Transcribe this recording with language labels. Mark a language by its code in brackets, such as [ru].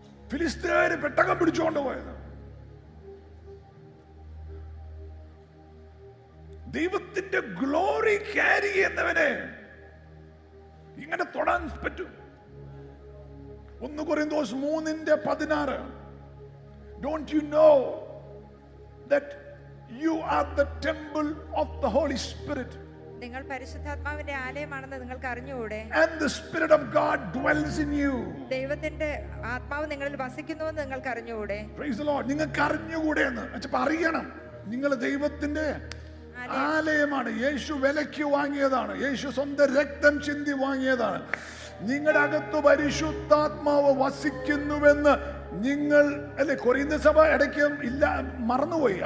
[ml] ഫിലിസ്ത്യര് പെട്ടകം പിടിച്ചുകൊണ്ട് പോയത് ദൈവത്തിന്റെ ഗ്ലോറി ക്യാരി ചെയ്യുന്നവനെ ഇങ്ങനെ തൊടാൻ പറ്റും. 1 കൊരിന്തോസ് 3:16. [en] Don't you know that you are the temple of the Holy Spirit? [ml] നിങ്ങൾ പരിശുദ്ധാത്മാവിന്റെ ആലയമാണെന്ന് നിങ്ങൾക്ക് അറിഞ്ഞുകൂടെ? [en] And the spirit of God dwells in you. [ml] ദൈവത്തിന്റെ ആത്മാവ് നിങ്ങളിൽ വസിക്കുന്നുവെന്ന് നിങ്ങൾക്ക് അറിഞ്ഞുകൂടെ? [en] Praise the Lord. [ml] നിങ്ങൾക്ക് അറിഞ്ഞുകൂടെ എന്ന് വെച്ചാൽ അറിയണം, നിങ്ങൾ ദൈവത്തിന്റെ ആലയമാണ്. യേശു വിലയ്ക്ക് വാങ്ങിയതാണ്, യേശു സ്വന്തം രക്തം ചിന്തി വാങ്ങിയതാണ്. നിങ്ങളുടെ അകത്ത് പരിശുദ്ധാത്മാവ് വസിക്കുന്നുവെന്ന് നിങ്ങൾ അല്ലെ കൊരിന്ത്യ സഭ ഇടയ്ക്ക് ഇല്ല മറന്നുപോയി.